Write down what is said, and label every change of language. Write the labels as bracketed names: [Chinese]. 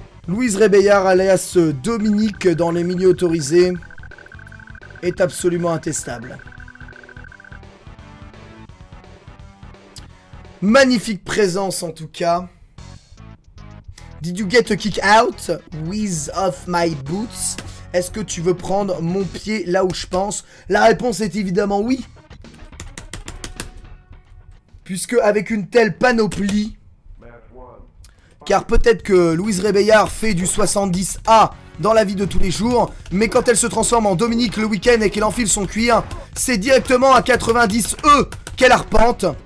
[French] Louise Rébeillard, alias Dominique, dans les milieux autorisés, est absolument intestable. Magnifique présence en tout cas. [English] Did you get a kick out with of my boots? [French] Est-ce que tu veux prendre mon pied là où je pense? La réponse est évidemment oui. Puisque avec une telle panoplie, car peut-être que Louise Rébeillard fait du 70A dans la vie de tous les jours, mais quand elle se transforme en Dominique le week-end et qu'elle enfile son cuir, c'est directement à 90E qu'elle arpente.